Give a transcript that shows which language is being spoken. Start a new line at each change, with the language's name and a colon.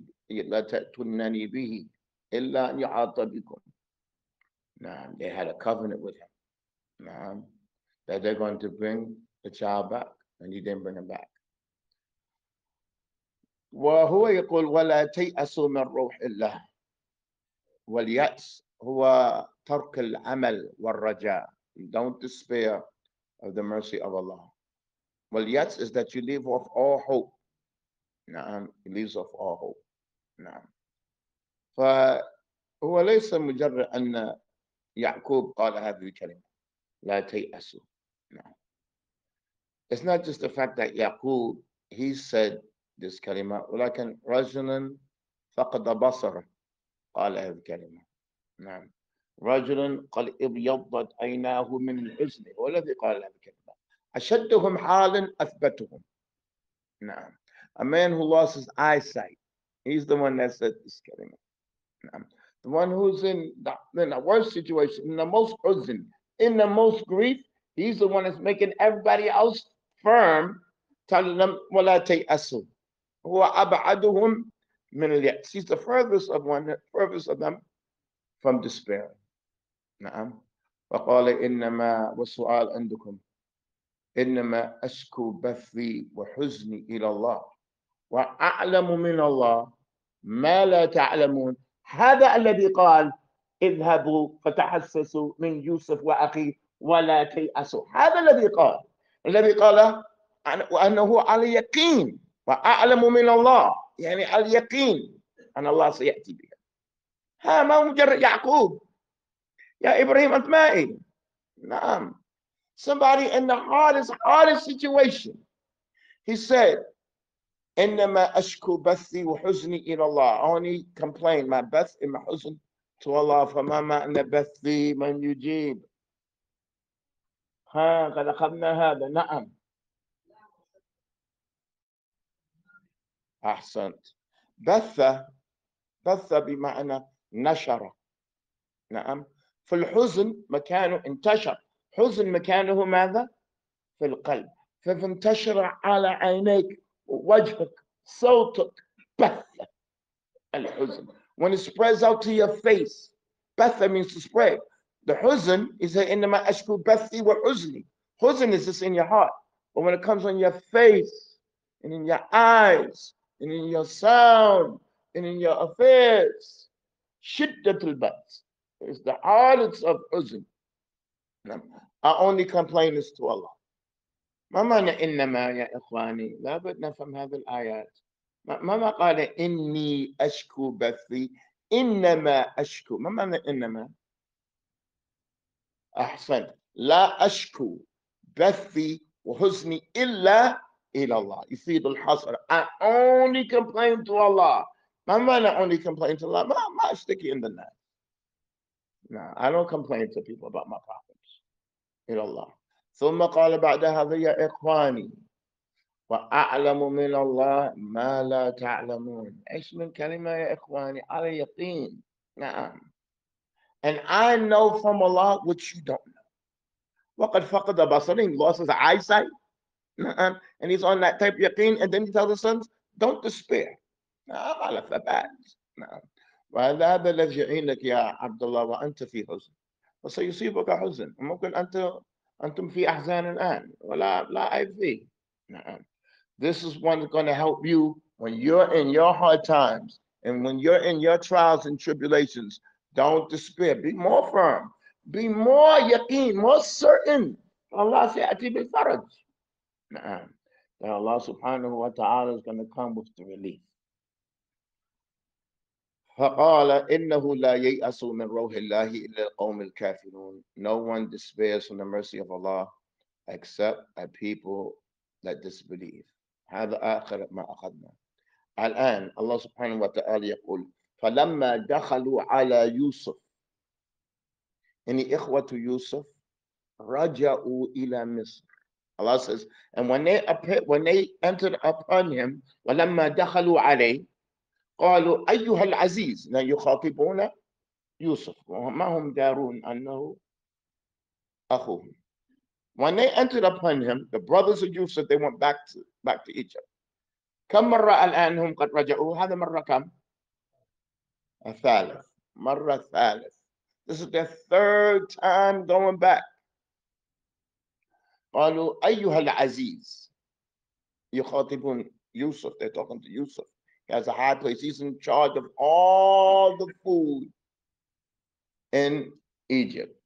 Arabic: لتأتنني به إلا أن يعاطى بكم. نعم.
English: They had a covenant with him.
Arabic: نعم.
English: That they're going to bring the child back. And he didn't bring him back.
Arabic: وهو يقول ولا تيأسوا من روح الله. واليأس هو ترك العمل والرجاء.
English: Don't despair of the mercy of Allah. واليأس is that you leave off all hope. نعم. He leaves off all hope. نعم.
Arabic: فهو ليس مجرد أن يعقوب قال هذه الكلمة لا تيأسوا. نعم.
English: It's not just the fact that يعقوب he said this كلمة،
Arabic: ولكن رجل فقد بصره قال هذه الكلمة. نعم. رجل قد ابيضت عيناه من الحزن هو الذي قال هذه الكلمة. أشدهم حالا أثبتهم. نعم.
English: A man who lost his eyesight, he's the one that said this كلمة.
Arabic: نعم.
English: The one who's in the worst situation, in the most prison, in the most grief, he's the one that's making everybody else firm, telling them
Arabic: ولا تيأسوا. هو أبعدهم من اليأس.
English: He's the furthest of one, furthest of them from despair.
Arabic: نعم. وقال إنما والسؤال عندكم إنما أشكو بثي وحزني إلى الله وأعلم من الله ما لا تعلمون. هذا الذي قال اذهبوا فتحسسوا من يوسف وأخي ولا تيأسوا. هذا الذي قال، الذي قال وأنه على يقين وأعلم من الله، يعني اليقين أن الله سيأتي بها. ها ما هو مجرد يعقوب يا إبراهيم أثمائي. نعم.
English: Somebody in the hardest situation. He said
Arabic: إنما أشكو بثي وحزني إلى الله.
English: I only complain my بث and my حزن to Allah.
Arabic: فما معنى بثي من يجيب. ها قد أخذنا هذا. نعم. أحسنت. بث بمعنى نشر. نعم. في الحزن مكانه انتشر. حزن مكانه ماذا؟ في القلب. ف فانتشر على عينيك ووجهك صوتك بث الحزن.
English: When it spreads out to your face, بث means to spread.
Arabic: The حزن is إنما أشكو بثي وحزني.
English: حزن is this in your heart. But when it comes on your face, and in your eyes, and in your sound, and in your affairs,
Arabic: شدة البث
English: is the hardest of حزن. Our only complaint is to Allah.
Arabic: ما معنى إنما يا إخواني؟ لا بد نفهم هذه الآيات. ما قال إني أشكو بثي؟ إنما أشكو. ما معنى إنما؟ أحسن. لا أشكو بثي وحزني إلا إلى الله. يفيد الحصر.
English: I only complain to Allah.
Arabic: ما معنى
English: only complain to Allah؟
Arabic: ما أشتكي عند الناس.
English: No, I don't complain to people about my problems.
Arabic: إلى الله. ثم قال بعد هذا يا إخواني وأعلم من الله ما لا تعلمون. إيش من كلمة يا إخواني؟ على يقين. نعم.
English: And I know from Allah what you don't know.
Arabic: وقد فقد بصره.
English: He lost his eyesight. نعم. And he's on that type of يقين. And then he tells his sons, don't despair.
Arabic: نعم. على ثبات. نعم. وهذا هذا الذي يعينك يا عبد الله وأنت في حزن. وسيصيبك حزن. ممكن أنتم في أحزان الآن. ولا لا عيب فيه. نعم.
English: This is one that's going to help you when you're in your hard times and when you're in your trials and tribulations. Don't despair. Be more firm. Be more yaqeen, more certain.
Arabic: Allah سيأتي بالفرج. نعم.
English: That Allah سبحانه وتعالى is going to come with the relief.
Arabic: فقال إنه لا ييأس من روح الله إلا القوم الكافرون.
English: No one despairs from the mercy of Allah except a people that disbelieve.
Arabic: هذا آخر ما أخذنا. الآن الله سبحانه وتعالى يقول فلما دخلوا على يوسف إن إخوة يوسف رجعوا إلى مصر.
English: Allah says and when they entered upon him
Arabic: ولما دخلوا عليه قالوا أيها العزيز. Now يخاطبون يوسف وما هم دارون أنه أخوهم.
English: When they entered upon him, the brothers of Yusuf, they went back to Egypt.
Arabic: كم مرة الآن هم قد رجعوا؟ هذا مرة كم؟ الثالث. مرة الثالث.
English: This is their third time going back.
Arabic: قالوا أيها العزيز. يخاطبون يوسف.
English: They're talking to Yusuf. He has a high place. He's in charge of all the food in Egypt.